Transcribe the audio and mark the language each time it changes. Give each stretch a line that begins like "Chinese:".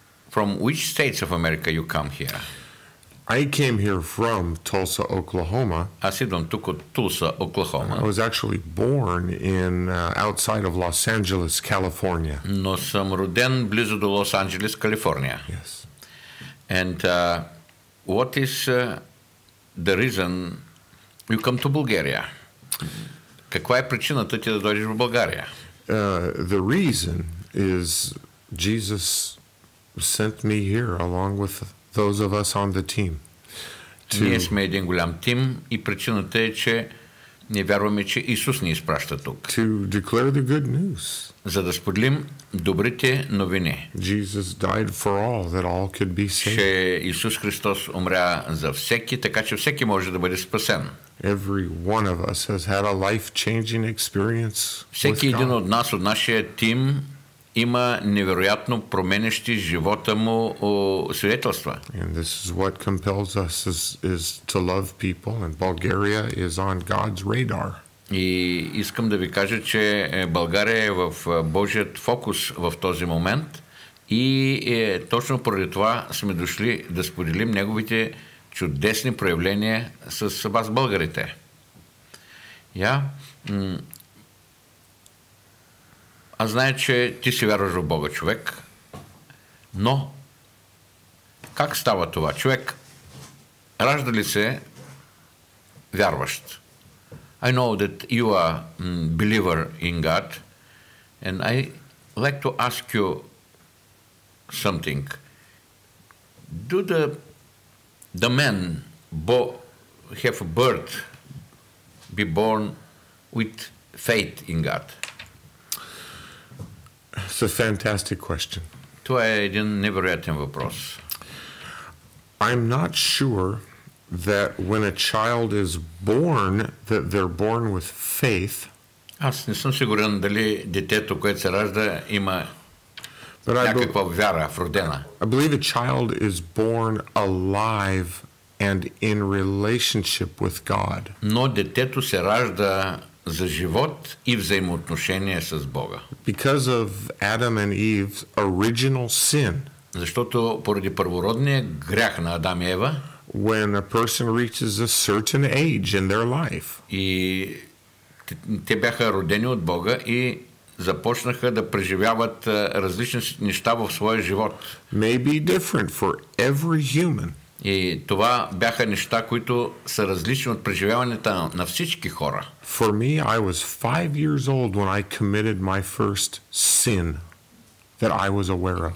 English: From which states of America you come here? I came here from Tulsa, Oklahoma.
Bulgarian: Аз идвам тук от Тулса, Оклахома.
English: I was actually born in outside of Los Angeles, California.
Bulgarian: Но съм роден близо до Лос Анджелес, Калифорния.
English: Yes. And what is the reason you come to Bulgaria?
Bulgarian: Каква е причината ти да дойдеш в България?
English: The reason is Jesus sent me here along with those of us on the team.
Bulgarian: Ние сме един голям тим и причината е, че не вярваме, че Исус ни изпраща тук.
English: To declare the good news.
Bulgarian: За да споделим добрите новини.
English: Jesus died for all, that all could be saved.
Bulgarian: Че Исус Христос умря за всеки, така че всеки може да бъде спасен.
English: Every one of us has had a life-changing experience with God.
Bulgarian: Всеки един от нас, от нашия тим, има невероятно променещи живота му свидетелства.
English: And this is what compels us is to love people, and Bulgaria is on God's radar.
Bulgarian: И искам да ви кажа, че България е в Божият фокус в този момент и точно поради това сме дошли да споделим неговите чудесни проявления с вас, българите. Аз знае, че ти си вярваш в Бога, човек, но как става това? Човек, ражда ли се вярващ?
English: I know that you are believer in God, and I like to ask you something. Do the man have a birth, be born with faith in God? It's a fantastic question.
Bulgarian: Това е един невероятен въпрос.
English: I'm not sure that when a child is born, that they're born with faith.
Bulgarian: Аз не съм сигурен дали детето, което се ражда, има някаква вяра вродена.
English: I believe a child is born alive and in relationship with God.
Bulgarian: Но детето се ражда за живот и взаимоотношение с Бога.
English: Because of Adam and Eve's original sin.
Bulgarian: Защото поради първородния грях на Адам и Ева.
English: When a person reaches a certain age in their life.
Bulgarian: И те бяха родени от Бога и започнаха да преживяват различни неща в своя живот.
English: May be different for every human.
Bulgarian: И това бяха неща, които са различни от преживяванията на всички хора.
English: For me, I was 5 years old when I committed my first sin that I was aware of.